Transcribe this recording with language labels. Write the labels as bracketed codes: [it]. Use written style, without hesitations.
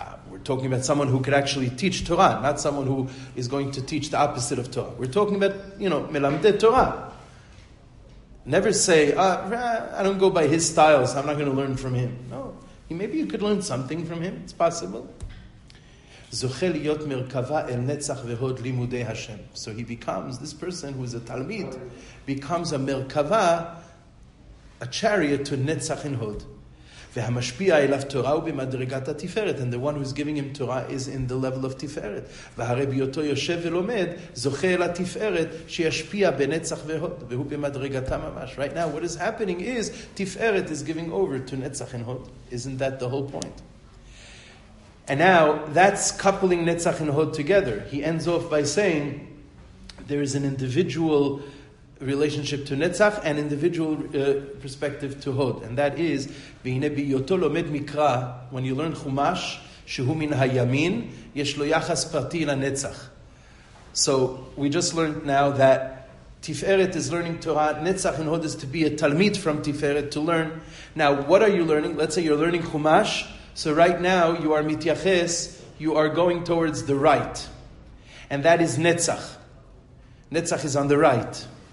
[en] We're talking about someone who could actually teach Torah, not someone who is going to teach the opposite of Torah. We're talking about, you know, מלמדי Torah. Never say, I don't go by his styles, I'm not going to learn from him. No, maybe you could learn something from him, it's possible. [he] זוכה להיות מרכבה אל נצח והוד לימודי השם. [en] So he becomes, this person who is a תלמיד, becomes a מרכבה, a chariot to נצח and הוד. [he] והמשפיע אליו תורה הוא במדרגת התפארת. [en] And the one who is giving him Torah is in the level of תפארת. [he] והרי ביותו יושב ולומד, זוכה אל התפארת שישפיע בנצח והוד. והוא במדרגתה ממש. [en] Right now what is happening is, תפארת is giving over to נצח and הוד. Isn't that the whole point? And now, that's coupling Netzach and Hod together. He ends off by saying, there is an individual relationship to Netzach, and individual perspective to Hod. And that is, [he] בהנה ביותו לומד מקרא, [en] when you learn Chumash, [he] שהוא מן הימין, יש לו יחס פרטי לנצח. [en] So, we just learned now that Tiferet is learning Torah, Netzach and Hod is to be a Talmid from Tiferet, to learn. Now, what are you learning? Let's say you're learning Chumash, so right now, you are mityaches, you are going towards the right. And that is netzach. Netzach is on the right.